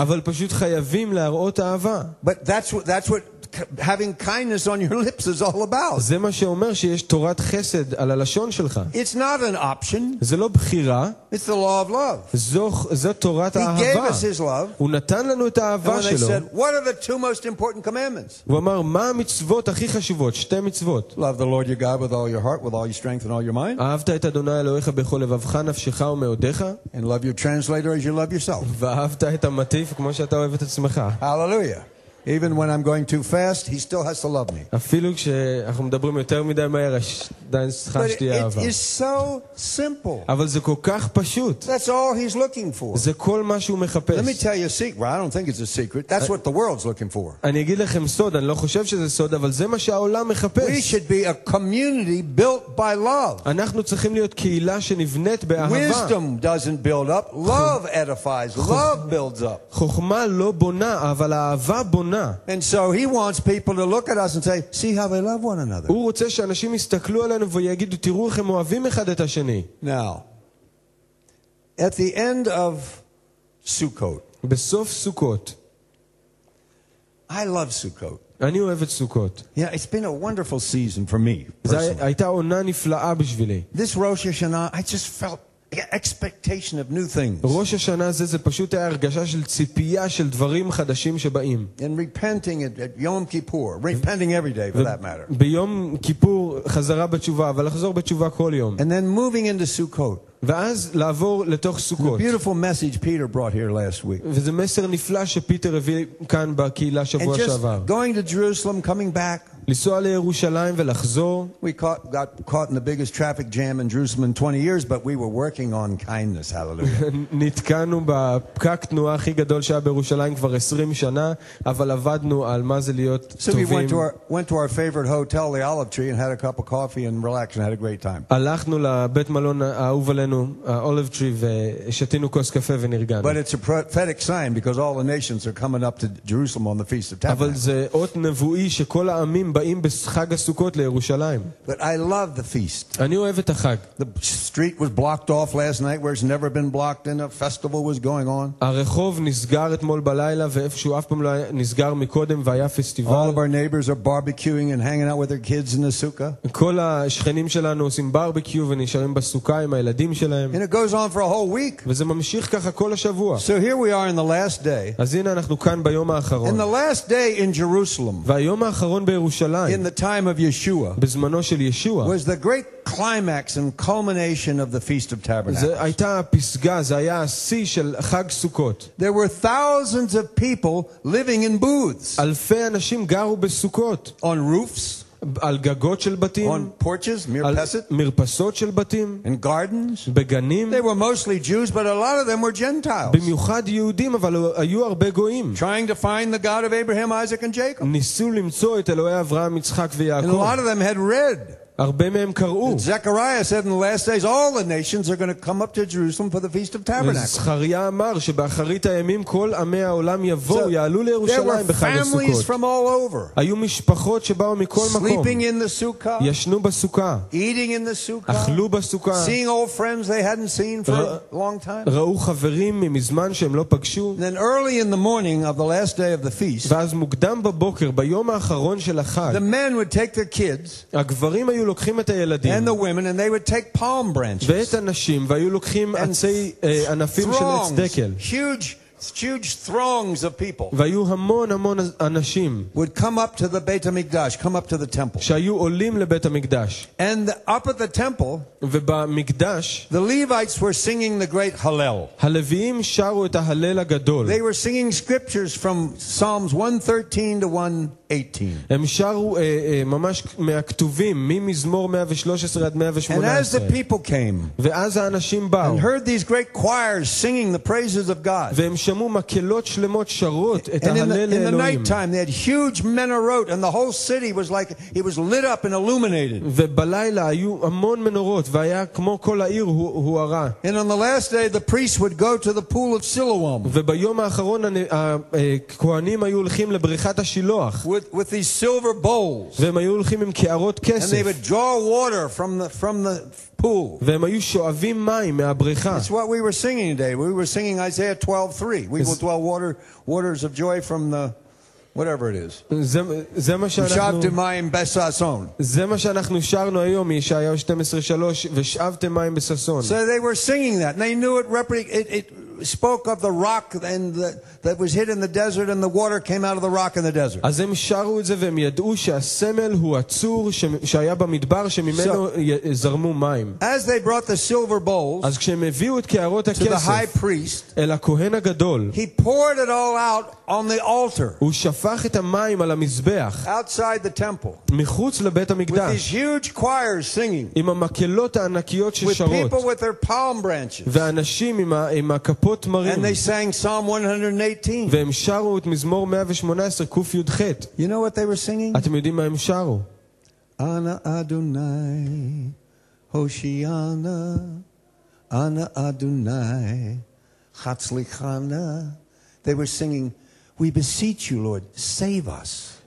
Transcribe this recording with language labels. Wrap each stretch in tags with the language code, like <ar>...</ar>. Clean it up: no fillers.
<he>אבל פשוט חייבים להראות אהבה.</he> <en>But that's what having kindness on your lips is all about.</en> <he>זה מה שאומר שיש תורת חסד על הלשון שלך.</he> <en>It's not an option.</en> <he>זה לא בחירה.</he> <en>It's the law of love.</en> <he>זו תורת אהבה.</he> <en>He gave us his love.</en> <he>הוא נתן לנו את האהבה שלו.</he> <en>And he said, "What are the two most important commandments?"</en> <he>הוא אמר, מה המצוות הכי חשובות? שתי מצוות.</he> <en>Love the Lord your God with all your heart, with all your strength, and all your mind.</en> <he>אהבת את אדוני אלוהיך בכל לבבך, נפשך ומאודך.</he> <en>And love your translator as you love yourself.</en> <he>ואהבת את המטיף כמו שאתה אוהב את עצמך.</he> <en>Hallelujah. Even when I'm going too fast, he still has to love me. But it is so simple. That's all he's looking for. Let me tell you a secret. Well, I don't think it's a secret. That's what the world's looking for. We should be a community built by love. Wisdom doesn't build up. Love edifies. Love builds up. And so he wants people to look at us and say, see how they love one another.</en> <he>הוא רוצה שאנשים יסתכלו עלינו ויגידו, תראו איך הם אוהבים אחד את השני.</he> <en>Now, at the end of Sukkot,</en> <he>בסוף סוכות,</he> <en>I love Sukkot.</en> <he>אני אוהב את סוכות.</he> <en>Yeah, it's been a wonderful season for me, personally.</en> <he>זה הייתה עונה נפלאה בשבילי.</he> <en>This Rosh Hashanah, I just felt expectation of new things.</en> <he>ראש השנה הזה זה פשוט הרגשה של ציפייה של דברים חדשים שבאים.</he> <en>And repenting at Yom Kippur, repenting every day for that matter.</en> <he>ביום כיפור חזרה בתשובה, אבל לחזור בתשובה כל יום.</he> <en>And then moving into Sukkot.</en> <he>ואז לעבור לתוך סוכות.</he> <en>A beautiful message Peter brought here last week.</en> <he>וזה מסר נפלא שפיטר הביא כאן בקהילה שבוע שעבר.</he> <en>Going to Jerusalem, coming back.</en> <he>לנסוע לירושלים ולחזור.</he> <en>We got caught in the biggest traffic jam in Jerusalem in 20 years, but we were working on kindness. Hallelujah.</en> <he>נתקענו בפקק תנועה הכי גדול שהיה בירושלים כבר 20 שנה, אבל עבדנו על מה זה להיות טובים.</he> <en>So we went to our favorite hotel, the Olive Tree, and had a cup of coffee and relaxed and had a great time.</en> <he>הלכנו לבית מלון האהוב עלינו, Olive Tree, ושתינו כוס קפה ונרגענו.</he> <en>But it's a prophetic sign because all the nations are coming up to Jerusalem on the Feast of Tabernacles.</en> <he>אבל זה אות נבואי שכל העמים באים בחג הסוכות לירושלים.</he> <en>But I love the feast.</en> <he>אני אוהב את החג.</he> <en>The street was blocked off last night where it's never been blocked and a festival was going on.</en> <he>הרחוב נסגר אתמול בלילה ואיפשהו אף פעם לא נסגר מקודם והיה פסטיבל.</he> <en>All of our neighbors are barbecuing and hanging out with their kids in the sukkah.</en> <he>כל השכנים שלנו עושים ברבקיו ונשארים בסוכה עם הילדים שלהם.</he> <en>And it goes on for a whole week.</en> <he>וזה ממשיך ככה כל השבוע.</he> <en>So here we are in the last day.</en> <he>אז הנה אנחנו כאן ביום האחרון.</he> <en>In the last day in Jerusalem.</en> <he>והיום האחרון בירושלים.</he> <en>In the time of Yeshua,</en> <he>בזמנו של ישוע,</he> <en>was the great climax and culmination of the Feast of Tabernacles.</en> <he>זה הייתה הפסגה, זה היה השיא של חג סוכות.</he> <en>There were thousands of people living in booths.</en> <he>אלפי אנשים גרו בסוכות.</he> <en>On roofs,</en> <he>על גגות של בתים.</he> <en>On porches, מרפסות.</en> <he>על מרפסות של בתים.</he> <en>In gardens,</en> <he>בגנים.</he> <en>They were mostly Jews, but a lot of them were Gentiles.</en> <he>במיוחד יהודים, אבל היו הרבה גויים.</he> <en>Trying to find the God of Abraham, Isaac, and Jacob.</en> <he>ניסו למצוא את אלוהי אברהם, יצחק ויעקב.</he> <en>And a lot of them had read.</en> <he>הרבה מהם קראו.</he> <en>Zechariah said in the last days all the nations are going to come up to Jerusalem for the Feast of Tabernacles.</en> <he>זכריה אמר שבאחרית הימים כל עמי העולם יבואו, יעלו לירושלים בחג הסוכות.</he> <en>There were families from all over.</en> <he>היו משפחות שבאו מכל מקום.</he> <en>Sleeping in the sukkah.</en> <he>ישנו בסוכה.</he> <en>Eating in the sukkah.</en> <he>אכלו בסוכה.</he> <en>Seeing old friends they hadn't seen for a long time.</en> <he>ראו חברים מזמן שהם לא פגשו.</he> <en>Then early in the morning of the last day of the feast.</en> <he>ואז מוקדם בבוקר ביום האחרון של החג.</he> <en>The men would take their kids.</en> <he>הגברים היו לוקחים את הילדים</he> <en>and the women and they would take palm branches</en> <he>ואת הנשים והיו לוקחים עצי ענפים של עץ דקל</he> <en>huge throngs of people</en> <he>והיו המון המון אנשים</he> <en>would come up to the Beit HaMikdash come up to the temple</en> <he>שהיו עולים לבית המקדש</he> <en>and up at the temple</en> <he>ובמקדש</he> <en>the Levites were singing the great Hallel</en> <he>הלוויים שרו את ההלל הגדול</he> <en>they were singing scriptures from Psalms 113 to 118</en> <he>הם שרו ממש מהכתובים ממזמור 113 עד 118</he> <en>and as the people came</en> <he>ואז האנשים באו</he> <en>and heard these great choirs singing the praises of God</en> <he>והם שמעו מקהלות שלמות שרות את ההלל לאלוהים</he> <en>and in the night time they had huge menorot and the whole city was like it was lit up and illuminated</en> <he>ובלילה היו המון מנורות והיה כמו כל העיר הוארה</he> <en>and on the last day the priests would go to the pool of Siloam</en> <he>וביום האחרון הכהנים היו הולכים לבריכת השילוח</he> <en>with these silver bowls</en> <he>והם היו הולכים עם קערות כסף</he> <en>and they would draw water from the pool</en> <he>והם היו שואבים מים מהבריכה</he> <en>that's what we were singing today we were singing Isaiah 12:3 we will draw waters of joy from the whatever it is</en> <he>זה מה שאנחנו שאבתם מים בששון זה מה שאנחנו שרנו היום ישעיהו 12:3 ושאבתם מים בששון</he> <en>so they were singing that and they knew it spoke of the rock and that was hid in the desert, and the water came out of the rock in the desert.</en> <he>אז הם שרו את זה והם ידעו שהסמל הוא הצור שהיה במדבר שממנו זרמו מים.</he> <en>As they brought the silver bowls,</en> <he>אז כשהם הביאו את קערות הכסף,</he> <en>to the high priest,</en> <he>אל הכהן הגדול,</he> <en>he poured it all out on the altar.</en> <he>הוא שפך את המים על המזבח.</he> <en>Outside the temple,</en> <he>מחוץ לבית המקדש,</he> <en>with these huge choirs singing,</en> <he>עם המקהלות הענקיות ששרות,</he> <en>with people with their palm branches,</en> <he>ואנשים עם הכפות מרים,</he> <en>and they sang Psalm 118.</en> <he>והם שרו את מזמור 118 קוף יוד חט.</he> <en>You know what they were singing?</en> <he>אתם יודעים מה הם שרו? Ana Adonai, Hoshiana, Ana Adonai, Hatzlichana.</he> <en>They were singing, "We beseech you, Lord, save us."</en>